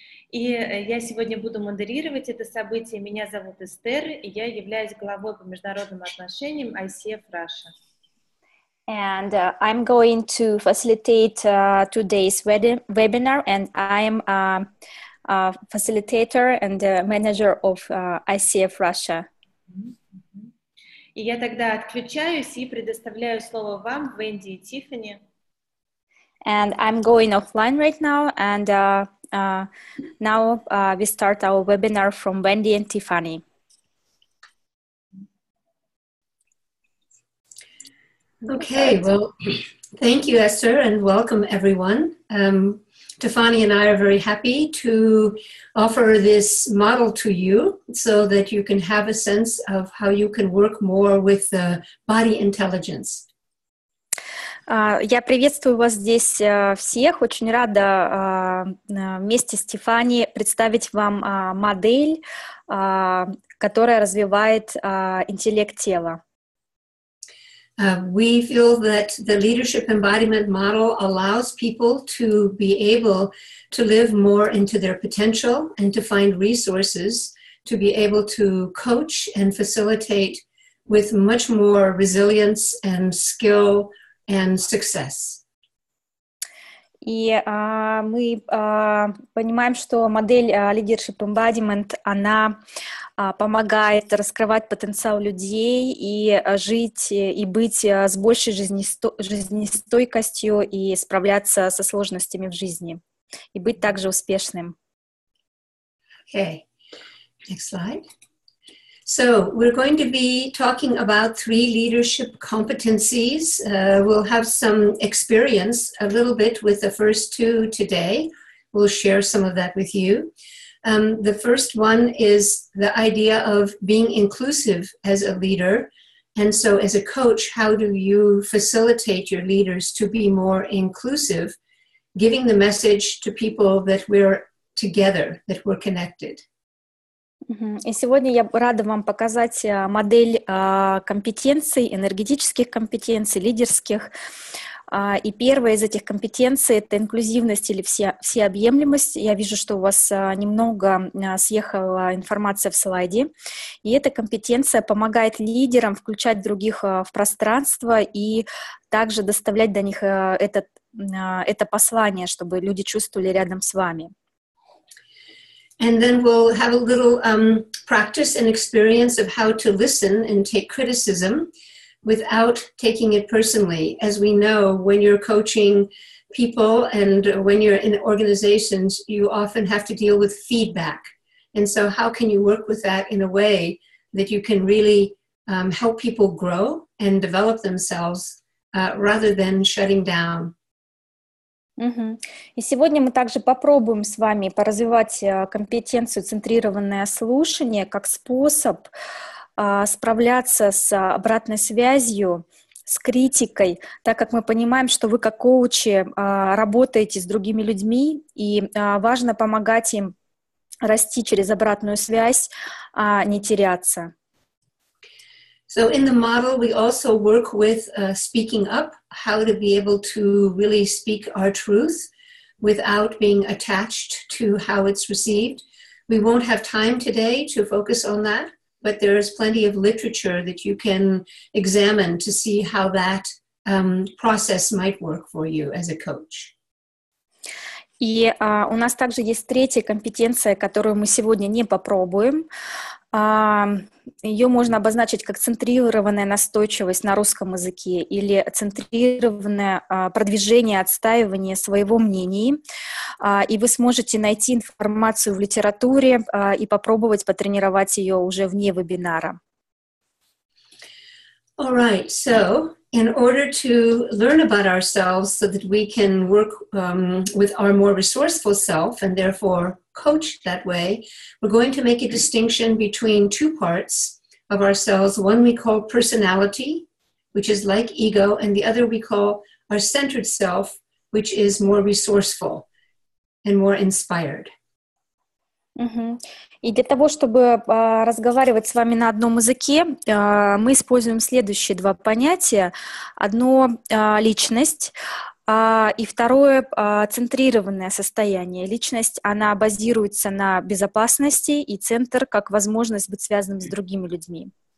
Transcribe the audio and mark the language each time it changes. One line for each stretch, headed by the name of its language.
Russian: И я сегодня буду модерировать это событие. Меня зовут Эстер, и я являюсь главой по международным отношениям ICF Russia.
English: And I'm going to facilitate today's webinar, and I'm a facilitator and a manager of ICF Russia.
Russian: И я тогда отключаюсь и предоставляю слово вам, Венди и Тиффани.
English: And I'm going offline right now, and now we start our webinar from Wendy and Tiffany. Okay, well, thank you, Esther, and welcome everyone. Tiffany and I are very happy to offer this model to you so that you can have a sense of how you can work more with the body intelligence.
Russian: Я приветствую вас здесь всех. Очень рада вместе с Тиффани представить вам модель, которая развивает интеллект тела.
English: We feel that the leadership embodiment model allows people to be able to live more into their potential and to find resources to be able to coach and facilitate with much more resilience and skill and success.
Russian: И мы понимаем, что модель leadership embodiment, она помогает раскрывать потенциал людей и жить и быть с большей жизнестойкостью и справляться со сложностями в жизни и быть также успешным.
English: Okay, next slide. So we're going to be talking about three leadership competencies. We'll have some experience a little bit with the first two today. We'll share some of that with you. The first one is the idea of being inclusive as a leader. And so as a coach, how do you facilitate your leaders to be more inclusive, giving the message to people that we're together, that we're connected?
Russian: И сегодня я рада вам показать модель компетенций, энергетических компетенций, лидерских. И первая из этих компетенций — это инклюзивность или всеобъемлемость. Я вижу, что у вас немного съехала информация в слайде. И эта компетенция помогает лидерам включать других в пространство и также доставлять до них это послание, чтобы люди чувствовали рядом с вами.
English: And then we'll have a little practice and experience of how to listen and take criticism without taking it personally. As we know, when you're coaching people and when you're in organizations, you often have to deal with feedback. And so how can you work with that in a way that you can really help people grow and develop themselves rather than shutting down? Угу.
Russian: И сегодня мы также попробуем с вами поразвивать компетенцию «центрированное слушание» как способ справляться с обратной связью, с критикой, так как мы понимаем, что вы как коучи работаете с другими людьми, и важно помогать им расти через обратную связь, а не теряться.
English: So in the model, we also work with speaking up, how to be able to really speak our truth without being attached to how it's received. We won't have time today to focus on that, but there is plenty of literature that you can examine to see how that process might work for you as a coach.
Russian: И у нас также есть третья компетенция, которую мы сегодня не попробуем. Ее можно обозначить как центрированная настойчивость на русском языке или центрированное продвижение, отстаивание своего мнения. И вы сможете найти информацию в литературе и попробовать потренировать ее уже вне вебинара.
English: All right, so in order to learn about ourselves so that we can work with our more resourceful self and therefore coach that way, we're going to make a distinction between two parts of ourselves. One we call personality, which is like ego, and the other we call our centered self, which is more resourceful and more inspired. Угу.
Russian: И для того, чтобы разговаривать с вами на одном языке, мы используем следующие два понятия. Одно — личность, и второе — центрированное состояние. Личность, она базируется на безопасности, и центр — как возможность быть связанным с другими людьми.